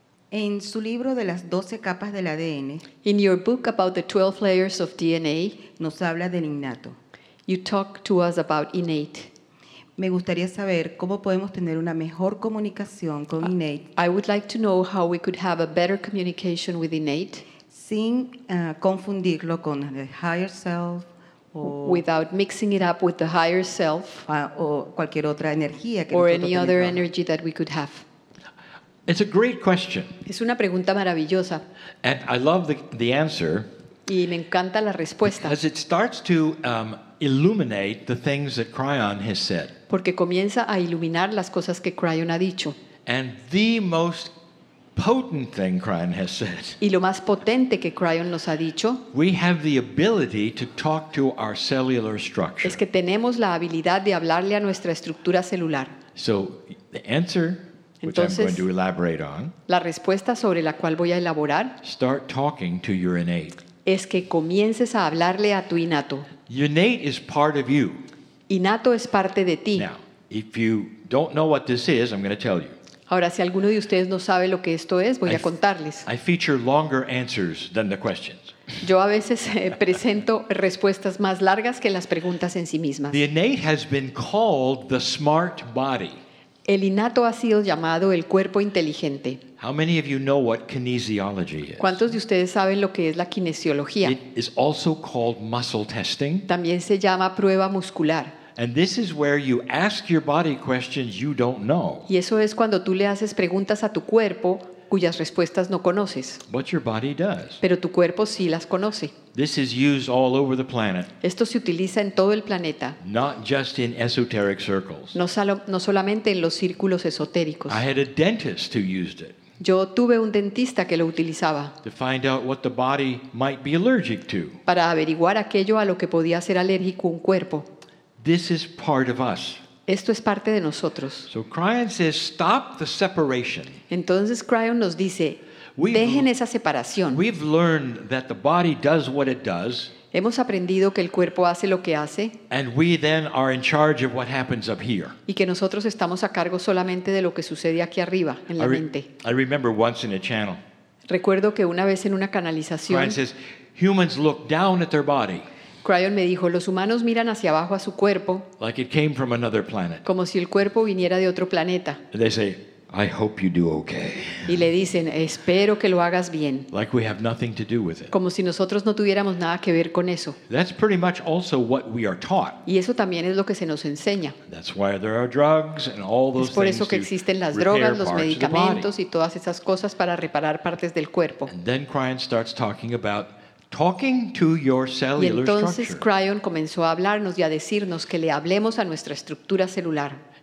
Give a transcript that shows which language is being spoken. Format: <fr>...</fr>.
<es>En su libro de las 12 capas del ADN,</es> <en>in your book about the 12 layers of DNA,</en> <es>nos habla del innato.</es> <en>You talk to us about innate.</en> <es>Me gustaría saber cómo podemos tener una mejor comunicación con innate.</es> <en>I would like to know how we could have a better communication with innate.</en> <es>Sin confundirlo con</es> <en>the higher self. Without mixing it up with the higher self,</en> <es>o cualquier otra energía que</es> <en>or any other energy that we could have. It's a great question.</en> <es>Es una pregunta maravillosa.</es> <en>And I love the answer.</en> <es>Y me encanta la respuesta.</es> <en>As it starts to illuminate the things that Kreon has said.</en> <es>Porque comienza a iluminar las cosas que Kreon ha dicho.</es> <en>And the most potent thing Kreon has said.</en> <es>Y lo más potente que Kreon nos ha dicho.</es> <en>We have the ability to talk to our cellular structure.</en> <es>Es que tenemos la habilidad de hablarle a nuestra estructura celular.</es> <en>So the answer,</en> <es>entonces,</es> <en>which I'm going to elaborate on,</en> <es>la respuesta sobre la cual voy a elaborar,</es> <en>start talking to your innate.</en> <es>Es que comiences a hablarle a tu innato.</es> <en>Your innate is part of you.</en> <es>Innato es parte de ti.</es> <en>Now, if you don't know what this is, I'm going to tell you.</en> <es>Ahora, si alguno de ustedes no sabe lo que esto es, voy a contarles.</es> <en>I feature longer answers than the questions.</en> <es>Yo a veces presento respuestas más largas que las preguntas en sí mismas.</es> <en>The innate has been called the smart body.</en> <es>El innato ha sido llamado el cuerpo inteligente.</es> <en>How many of you know what kinesiology is?</en> <es>¿Cuántos de ustedes saben lo que es la kinesiología?</es> <en>It is also called muscle testing.</en> <es>También se llama prueba muscular.</es> <en>And this is where you ask your body questions you don't know.</en> <es>Y eso es cuando tú le haces preguntas a tu cuerpo cuyas respuestas no conoces.</es> <en>But your body does.</en> <es>Pero tu cuerpo sí las conoce.</es> <en>This is used all over the planet.</en> <es>Esto se utiliza en todo el planeta.</es> <en>Not just in esoteric circles.</en> <es>No solamente en los círculos esotéricos.</es> <en>I had a dentist who used it.</en> <es>Yo tuve un dentista que lo utilizaba.</es> <en>To find out what the body might be allergic to.</en> <es>Para averiguar aquello a lo que podía ser alérgico un cuerpo.</es> <en>This is part of us.</en> <es>Esto es parte de nosotros.</es> <en>So Kreon says, stop the separation.</en> <es>Entonces Kreon nos dice, dejen esa separación.</es> <en>We've learned that the body does what it does.</en> <es>Hemos aprendido que el cuerpo hace lo que hace.</es> <en>And we then are in charge of what happens up here.</en> <es>Y que nosotros estamos a cargo solamente de lo que sucede aquí arriba, en la mente.</es> <en>I remember once in a channel.</en> <es>Recuerdo que una vez en una canalización.</es> <en>Kreon says, humans look down at their body.</en> <es>Kreon me dijo, los humanos miran hacia abajo a su cuerpo</es> <en>like it came from another planet.</en> <es>Como si el cuerpo viniera de otro planeta.</es> <en>They say, I hope you do okay.</en> <es>Y le dicen, espero que lo hagas bien.</es> <en>Like we have nothing to do with it.</en> <es>Como si nosotros no tuviéramos nada que ver con eso.</es> <en>That's pretty much also what we are taught.</en> <es>Y eso también es lo que se nos enseña.</es> <en>That's why there are drugs and all those</en> <es>es por eso que existen las drogas, los medicamentos y todas esas cosas para reparar partes del cuerpo.</es> <en>And then Kreon starts talking to your cellular structure.</en> <es>Y entonces Kreon comenzó a hablarnos y a decirnos que le hablemos a nuestra estructura celular.</es>